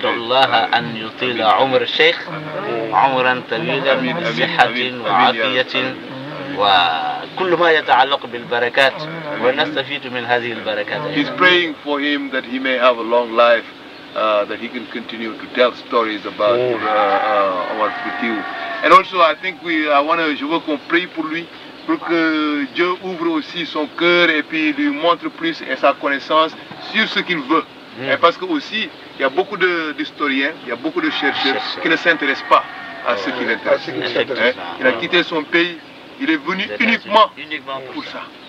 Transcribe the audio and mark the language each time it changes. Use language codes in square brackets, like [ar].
[ar] On الله أن يطيل عمر الشيخ عمرا طويلا بصحة وعافية وكل ما يتعلق بالبركات ونستفيد من هذه البركات. [en] He's praying for him that he may have a long life, that he can continue to tell stories about Omar Fatih. And also, I think [fr] je veux qu'on prie pour lui. Pour que Dieu ouvre aussi son cœur et puis lui montre plus et sa connaissance sur ce qu'il veut. Et parce que aussi, il y a beaucoup d'historiens, il y a beaucoup de chercheurs qui ne s'intéressent pas à ce qui l'intéresse. Il a quitté son pays, il est venu uniquement pour ça.